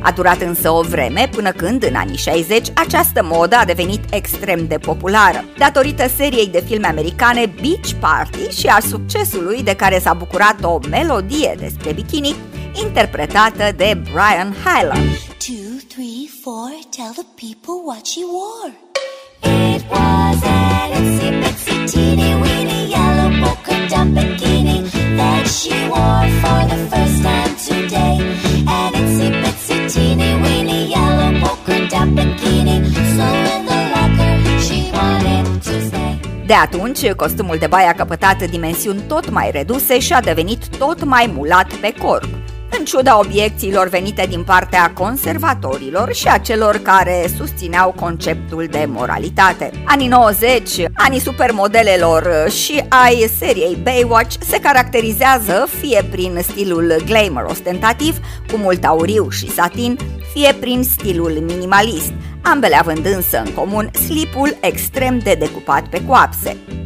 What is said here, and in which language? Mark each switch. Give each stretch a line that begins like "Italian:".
Romanian: A durat însă o vreme, până când, în anii 60, această modă a devenit extrem de populară, datorită seriei de filme americane Beach Party și a succesului de care s-a bucurat o melodie despre bikini, interpretată de Brian Hyland.
English: 2, 3, 4, tell the people what she wore. It was an itsy-bitsy, teeny-weeny, yellow polka-dot bikini that she wore for the first time today. An itsy-bitsy, teeny-weeny, yellow polka-dot bikini, so in the locker she wanted to stay.
Romanian: De atunci, costumul de baie a căpătat dimensiuni tot mai reduse și a devenit tot mai mulat pe corp. în ciuda obiecțiilor venite din partea conservatorilor și a celor care susțineau conceptul de moralitate. Anii 90, anii supermodelelor și ai seriei Baywatch se caracterizează fie prin stilul glamour ostentativ, cu mult auriu și satin, fie prin stilul minimalist, ambele având însă în comun slipul extrem de decupat pe coapse.